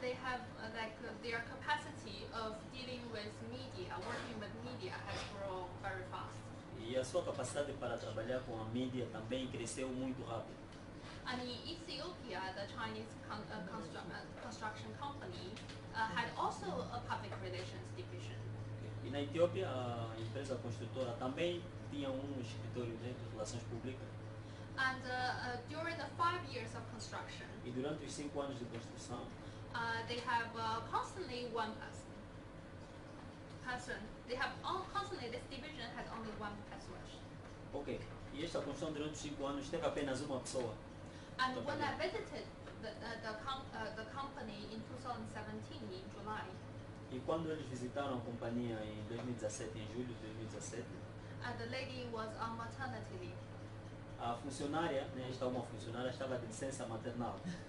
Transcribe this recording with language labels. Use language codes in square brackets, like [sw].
[en] And their capacity of dealing with media, working with media, has grown very fast. [pt] E a sua capacidade para trabalhar com a mídia também cresceu muito rápido. [en] And in Ethiopia, the Chinese construction company had also a public relations division. [pt] E na Etiópia, a empresa construtora também tinha um escritório de relações públicas. [en] And during the 5 years of construction, [pt] e durante os 5 anos de construção, [en] they have constantly one person. They have constantly, this division has only one person. Ok. [pt] E esta construção durante os 5 anos teve apenas uma pessoa. [en] And when I visited the company in 2017, in July, [pt] e quando eles visitaram a companhia em 2017, em julho de 2017, [en] and the lady was on maternity leave. [pt] A funcionária, né, esta uma funcionária, estava de licença maternal.